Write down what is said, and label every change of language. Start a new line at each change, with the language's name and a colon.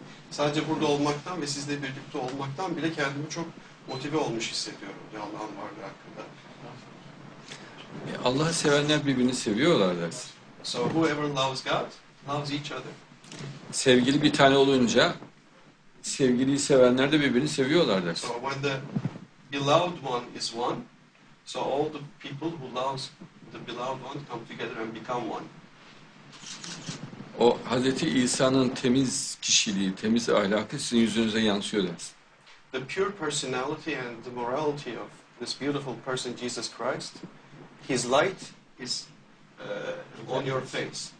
Turkish: Sadece burada olmaktan ve sizle birlikte olmaktan bile kendimi çok motive olmuş hissediyorum Allah'ın varlığı hakkında. Allah'ı sevenler birbirini seviyorlardır.
English: So whoever loves God loves each other.
Turkish: Sevgili bir tane olunca sevgiliyi sevenler de birbirini seviyorlar der.
English: So when the beloved one is one, so all the people who love the beloved one come together and become one.
Turkish: O Hazreti İsa'nın temiz kişiliği, temiz ahlakı sizin yüzünüze yansıyor der.
English: The pure personality and the morality of this beautiful person Jesus Christ, his light is on your face.